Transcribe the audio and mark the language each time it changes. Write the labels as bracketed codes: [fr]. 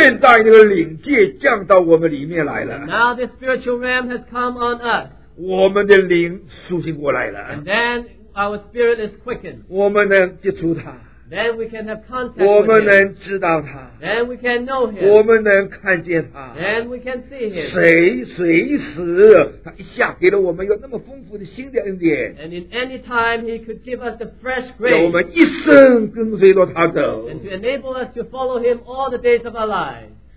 [zh] 现在那个灵界降到我们里面来了, [en] now the spiritual realm has come on us, [zh] 我们的灵苏醒过来了, [en] and then our spirit is quickened, [zh] 我们能接触他, [en] then we can have contact, [zh] 我们能知道他, [en] then we can know him, [zh] 我们能看见他, [en] then we can see him. [zh] 谁随时, 他一下给了我们有那么丰富的新的恩典, [en] and in any time he could give us the fresh grace, [zh] 让我们一生跟随着他走, [en] and to enable us to follow him all the days of our lives.